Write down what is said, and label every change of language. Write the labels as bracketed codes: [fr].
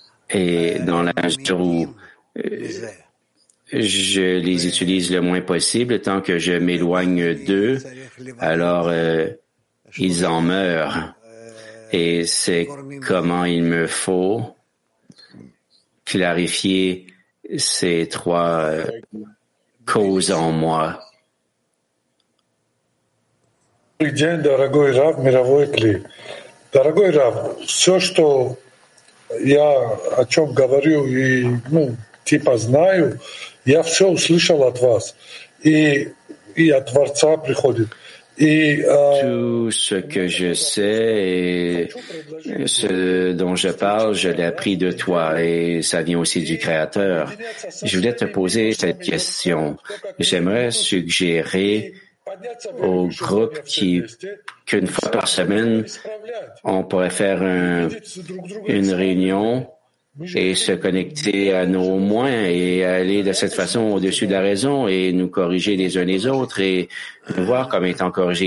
[fr] Et dans la mesure où je les utilise le moins possible, tant que je m'éloigne d'eux, alors ils en meurent. Et c'est comment il me faut clarifier ces trois cause en moi. [ru] Добрый день, дорогой Рав, мировой Кли. Дорогой Рав, все, что я о чем говорю и, ну, типа знаю, я все услышал от вас. И от Творца приходит. [fr] Tout ce que je sais et ce dont je parle, je l'ai appris de toi et ça vient aussi du Créateur. Je voulais te poser cette question. J'aimerais suggérer au groupe qu'une fois par semaine, on pourrait faire une réunion et se connecter à nos moins et aller de cette façon au-dessus de la raison et nous corriger les uns les autres et voir comme étant corrigés.